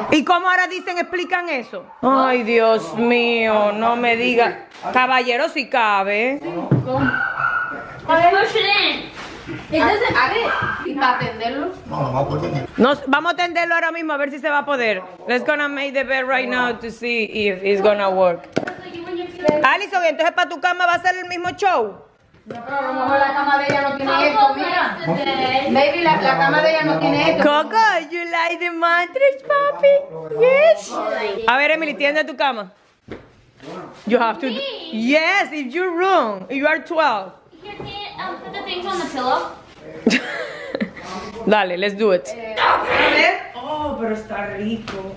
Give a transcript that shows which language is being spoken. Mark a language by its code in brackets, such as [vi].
[es] ¿Y cómo ahora dicen, explican eso? Ay, Dios mío, no me diga. Caballero, si cabe. ¿Cómo? [en] Push it in. [es] ¿Y para atenderlo? No, no va a poder. Vamos a atenderlo ahora mismo a ver si se va a poder. [en] Let's gonna make the bed right now to see if it's gonna work. [es] Allison, entonces para tu cama va a ser el mismo show. No, pero a lo mejor la cama de ella no tiene esto, mira. [en] Maybe [es] la cama de ella no tiene esto. [en] Coco, you like the mattress, papi? Yes. [es] A ver, Emily, tiende tu cama. [en] You have to. Yes, it's your room. You are 12. put the things on the pillow? [es] Dale, [en] let's do it. [es] Oh, pero está rico.